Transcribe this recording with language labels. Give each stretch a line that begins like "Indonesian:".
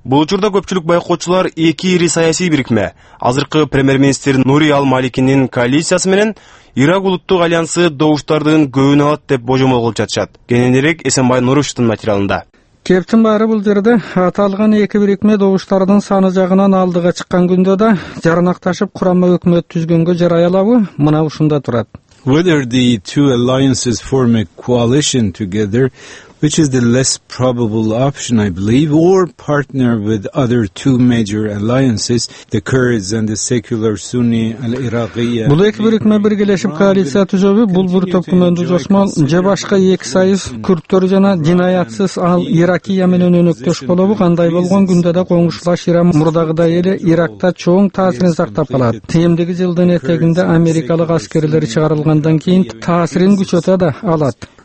Kyrgyz: Бул учурда көпчүлүк байкоочулар эки ири саясий бирикме, азыркы премьер-министр Нури ал-Маликинин коалициясы менен Ирак улуттук альянсы добуштардын көбүн алат деп божомол кылып жатышат. Кененирээк Эсенбай Нуровичтин материалында. Кептин баары бул жерде аталган эки бирикме добуштардын саны жагынан алдыга чыккан күндө да жарнакташып курамма өкмөт түзгөнгө жарай алабы, мына ушунда турат.
English: Whether the two alliances form a coalition together, which is the less probable option, I believe, or partner with other two major alliances, the Kurds and the secular Sunni al-Iraqi.
Kyrgyz: Бул эки бирикме биргелешип коалиция түзөбү, бул бир топкумен дужошмал же башка эки союз курдтор жана динаятсыз ал-Иракия менен өнөктөш болобу, кандай болгон күндө да коңшулаш Иран мурдагыдай эле Иракта чоң таасирин сактап калат. Тиемдиги жылдын этегинде америкалык аскерлер чыгарылгандан кийин таасирин күчөтө да алат.